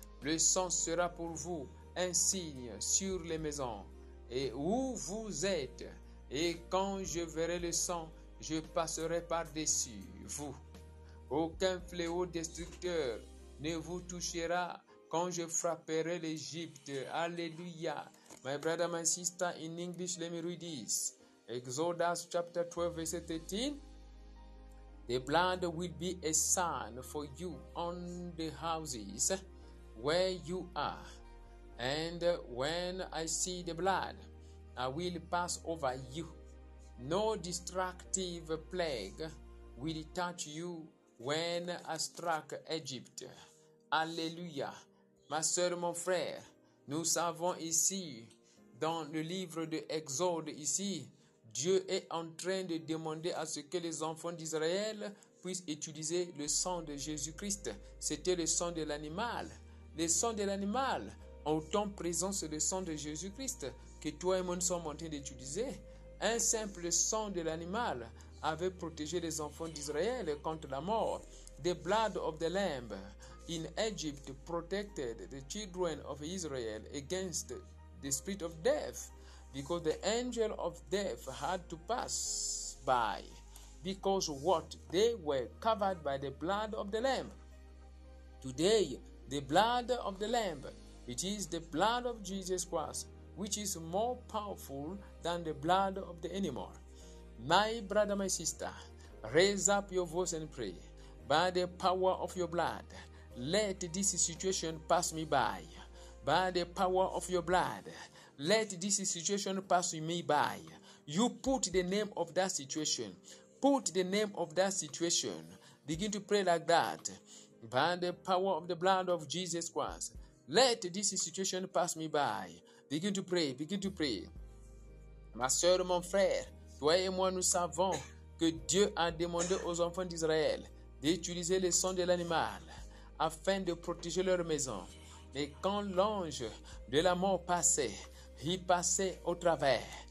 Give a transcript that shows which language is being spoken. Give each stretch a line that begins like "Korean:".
French: Le sang sera pour vous un signe sur les maisons. Et où vous êtes, et quand je verrai le sang, je passerai par-dessus vous. Aucun fléau destructeur ne vous touchera quand je frapperai l'Égypte. Alléluia.
English: My brother, my sister, in English, let me read this. Exodus chapter 12, verse 13. The blood will be a sign for you on the houses where you are. And when I see the blood, I will pass over you. No destructive plague will touch you when I struck Egypt. Alléluia.
French: Ma sœur, mon frère, nous savons ici, dans le livre de Exode ici, Dieu est en train de demander à ce que les enfants d'Israël puissent utiliser le sang de Jésus-Christ. C'était le sang de l'animal. Le sang de l'animal, en temps présent, c'est le sang de Jésus-Christ que toi et moi nous sommes en train d'utiliser. Un simple sang de l'animal avait protégé les enfants d'Israël contre la mort.
English: The blood of the lamb in Egypt protected the children of Israel against the spirit of death, because the angel of death had to pass by, because what? They were covered by the blood of the lamb. Today, the blood of the lamb, it is the blood of Jesus Christ, which is more powerful than the blood of the animal. My brother, my sister, raise up your voice and pray. By the power of your blood, let this situation pass me by. By the power of your blood, let this situation pass me by. You put the name of that situation. Put the name of that situation. Begin to pray like that. By the power of the blood of Jesus Christ, let this situation pass me by. Begin to pray. Begin to pray.
French: Ma soeur, mon frère, toi et moi, nous savons que Dieu a demandé aux enfants d'Israël d'utiliser le sang de l'animal afin de protéger leur maison. Mais quand l'ange de la mort passait, il passait au travers.